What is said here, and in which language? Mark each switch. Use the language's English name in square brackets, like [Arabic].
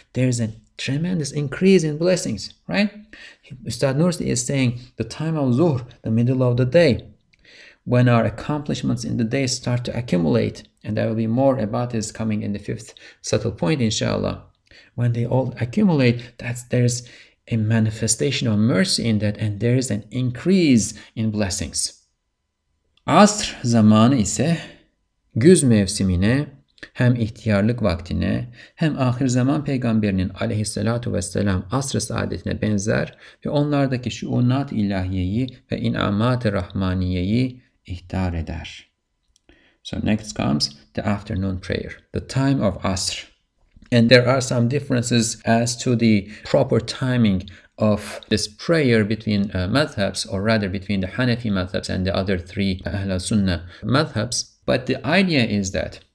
[English] There's a tremendous increase in blessings, right? Üstad Nursi is saying the time of Zuhr, the middle of the day, when our accomplishments in the day start to accumulate, and there will be more about this coming in the fifth subtle point, inshallah. When they all accumulate, there's a manifestation of mercy in that, and there is an increase in blessings. [Turkish] Asr zamanı ise güz mevsimine, hem ihtiyarlık vaktine, hem ahir zaman peygamberinin aleyhissalatu vesselam asr-ı saadetine benzer ve onlardaki şuunat-ı ilahiyeyi ve inamat-ı rahmaniyeyi ihtar eder. [English] So next comes the afternoon prayer, the time of asr. And there are some differences as to the proper timing of this prayer between madhabs, or rather between the Hanafi madhabs and the other three Ahl al-Sunnah madhabs. But the idea is that